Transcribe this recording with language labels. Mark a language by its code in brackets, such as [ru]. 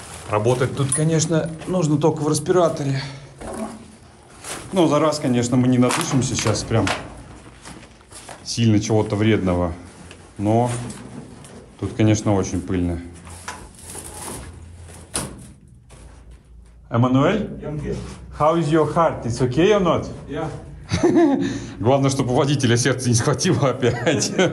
[ru] Работать тут, конечно, нужно только в респираторе. Но за раз, конечно, мы не надышимся сейчас прям сильно чего-то вредного. Но тут, конечно, очень пыльно. [en] Эммануэль, how is your heart? It's okay or not? Yeah. [ru] Главное, чтобы водителя сердце не схватило опять.